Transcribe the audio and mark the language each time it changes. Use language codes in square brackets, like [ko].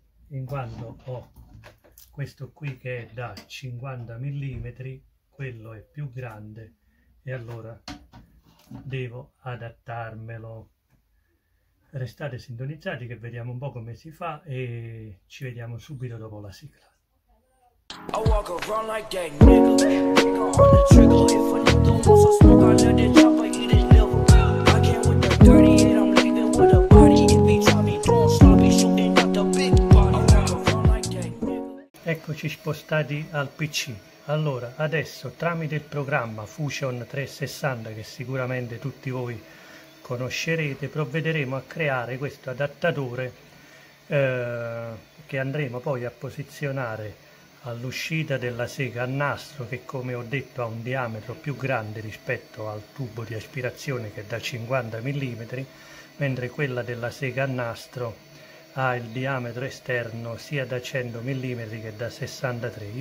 [it] In quanto ho questo qui che è da 50 mm, quello è più grande e allora devo adattarmelo. Restate sintonizzati che vediamo un po' come si fa e ci vediamo subito dopo la sigla. [en] I walk around like that nigga, nigga on the trigger. If a nigga don't want some smoke, I let that chopper eat his liver. I came with the 38, I'm leaving with a body. If he try me, don't stop, be shooting at the big body. I walk around like that nigga. [it] Eccoci spostati al PC. Allora, adesso tramite il programma Fusion 360, che sicuramente tutti voi conoscerete, provvederemo a creare questo adattatore che andremo poi a posizionare all'uscita della sega a nastro, che come ho detto ha un diametro più grande rispetto al tubo di aspirazione, che è da 50 mm, mentre quella della sega a nastro ha il diametro esterno sia da 100 mm che da 63.